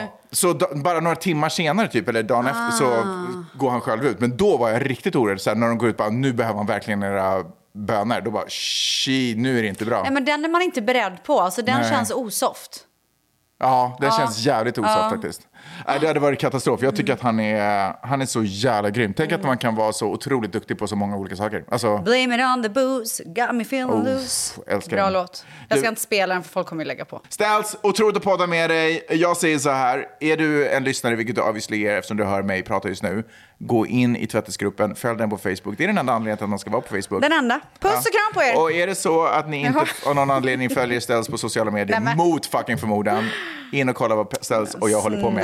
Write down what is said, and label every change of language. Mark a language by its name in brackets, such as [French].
[Swedish] Ja, så bara några timmar senare typ, eller dagen efter, så går han själv ut. Men då var jag riktigt orolig, så här, när de går ut bara, nu behöver man verkligen era bönor. Då bara, nu är det inte bra. Nej, men den är man inte beredd på, alltså den Nej. Känns osoft. Ja, det känns jävligt osoft faktiskt. Det hade varit katastrof. Jag tycker att han är så jävla grym. Tänk att man kan vara så otroligt duktig på så många olika saker. Alltså, [English] blame it on the booze, got me feeling loose. [Swedish] Älskar bra den. Låt. Jag ska inte spela den för folk kommer ju lägga på. Ställs, otroligt att podda med dig. Jag säger så här, är du en lyssnare, vilket du obviously är eftersom du hör mig prata just nu, gå in i tvättesgruppen, följ den på Facebook. Det är den enda anledningen att man ska vara på Facebook. Den enda. Puss och kram på er. Och är det så att ni inte av någon anledning följer Ställs på sociala medier mot fucking förmodan, in och kolla vad Ställs och jag håller på med.